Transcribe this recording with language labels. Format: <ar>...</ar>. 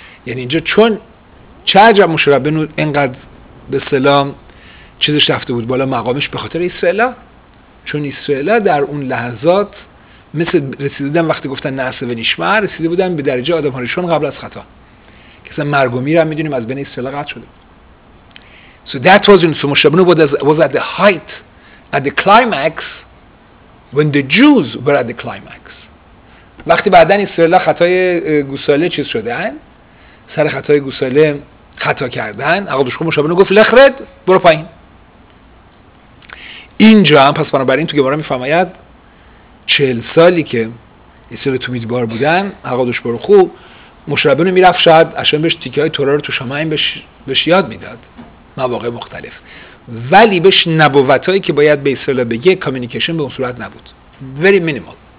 <fa>یعنی اینجا چون چه عجب موشه ربنو اینقدر به سلام چیزش رفته بود بالا مقامش, به خاطر اسرائیل. چون اسرائیل در اون لحظات مثل رسیده بودن, وقتی گفتن نعسه و نشمر, رسیده بودن به درجه آدم هارشون قبل از خطا, کسا مرگ و میر هم میدونیم از بین اسرائیل قطع شده.</fa> <en>So that was when Moshe Rabbenu was at the height, at the climax, when the Jews were at the climax.</en> <fa>وقتی بعدن اسرائیل خطای گوساله چیز شدن, سر خطای گوساله خطا کردن, عقادوش خود موشه ربنو گفت لخرد برو پایین. اینجا هم پس بنابراین تو گمارا میفرماید 40 سالی که اسرائیل تو میدبار بودن, عقادوش برخو موشه ربنو میرفت شاید اشان بهش تیکه های تورا رو تو شمایم بهش یاد میداد, مواقع مختلف, ولی بهش نبوت هایی که باید به اسرائیل بگه کامیونیکیشن به اون صورت نبود,</fa> <en>very minimal.</en>